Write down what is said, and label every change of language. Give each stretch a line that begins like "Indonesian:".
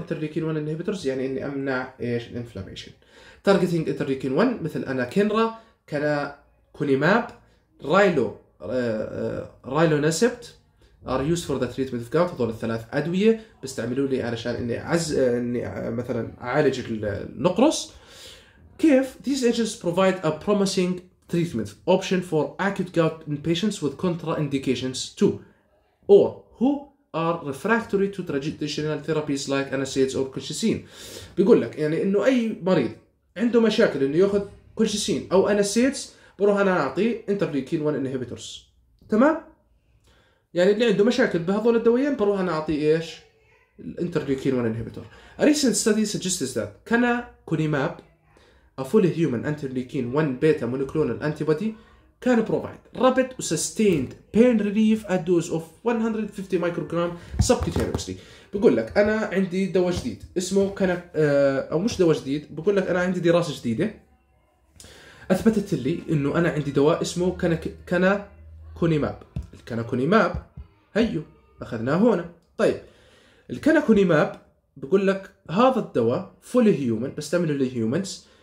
Arabic: انترليكين 1 انهبيتورز يعني اني امنع ايش الانفلاميشن. تارجتينج انترليكين 1 مثل انا كينرا كلا كونيماب رايلو رايلو نسبت
English: are used for the treatment of gout،
Arabic: هذول الثلاث ادويه بيستعملوا لي علشان اني اني مثلا اعالج النقرس. كيف
English: these agents provide a promising treatment option for acute gout in patients with contraindications too or who are refractory to traditional therapies like NSAIDs or colchicine.
Arabic: بيقول لك يعني انه اي مريض عنده مشاكل انه ياخذ كولشيسين او NSAIDs بروح انا اعطي انترليكين 1 انهبيتورز. تمام. يعني اللي عنده مشاكل بهذول الدويين بروح انا اعطي ايش الانترليكين 1 انهبيتور.
English: A recent study suggests that canakinumab a fully human interleukin 1 beta monoclonal antibody can provide rapid and sustained pain relief at dose of 150 microgram subcutaneously.
Arabic: بقول لك انا عندي دواء جديد اسمه او مش دواء جديد، بقول لك انا عندي دراسه جديده اثبتت لي انه انا عندي دواء اسمه كانكونيماب. الكانكونيماب هيو اخذناه هنا. طيب الكانكونيماب بقول لك هذا الدواء
English: fully human
Arabic: بستعمله للهيومنز.